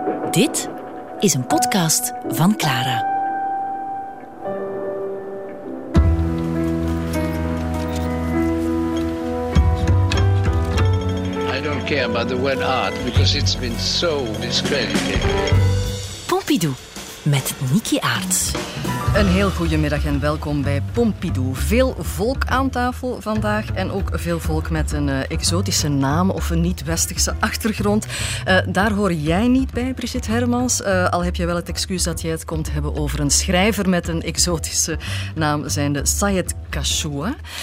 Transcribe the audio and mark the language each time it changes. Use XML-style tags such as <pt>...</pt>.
<nl>Dit is een podcast van Clara.</nl> <en>I don't care about the word art because it's been so discredited.</en> <nl>Pompidou met Niki Aerts. Een heel goede middag en welkom bij Pompidou. Veel volk aan tafel vandaag en ook veel volk met een exotische naam of een niet-westerse achtergrond. Daar hoor jij niet bij, Brigitte Hermans. Al heb je wel het excuus dat jij het komt hebben over een schrijver met een exotische naam, zijnde Sayed Kashoua.</nl>